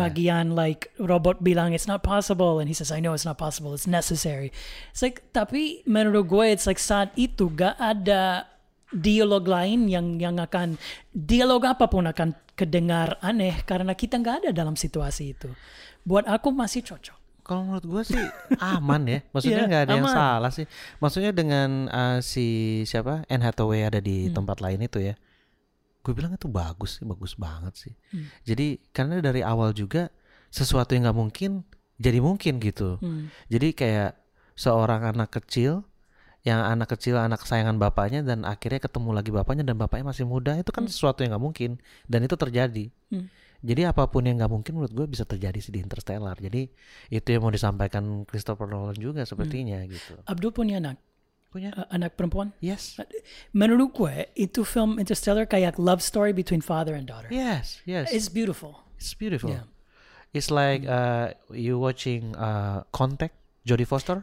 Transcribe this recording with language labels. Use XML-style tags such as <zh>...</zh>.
<id>Bagian</id> <en>like robot bilang it's not possible and he says I know it's not possible, it's necessary. It's like,</en> <id>tapi menurut gue</id> <en>it's like</en> <id>saat itu gak ada dialog lain yang akan, dialog apapun akan kedengar aneh karena kita gak ada dalam situasi itu. Buat aku masih cocok. Kalau menurut gue sih aman ya. Maksudnya gak ada aman. Yang salah sih. Maksudnya dengan si siapa, Anne Hathaway ada di tempat lain itu ya. Gue bilang itu bagus sih, bagus banget sih. Jadi karena dari awal juga sesuatu yang gak mungkin jadi mungkin gitu. Jadi kayak seorang anak kecil, yang anak kecil, anak kesayangan bapaknya, dan akhirnya ketemu lagi bapaknya dan bapaknya masih muda, itu kan sesuatu yang gak mungkin dan itu terjadi. Jadi apapun yang gak mungkin menurut gue bisa terjadi sih di Interstellar. Jadi itu yang mau disampaikan Christopher Nolan juga sepertinya. Gitu. Abdul punya anak? Punya. Anak perempuan?</id> <en>Yes.</en> <id>Menurut gue itu film Interstellar kayak</id> <en>love story between father and daughter. Yes, yes. It's beautiful. Yeah. It's like you watching Contact, Jodie Foster?</en>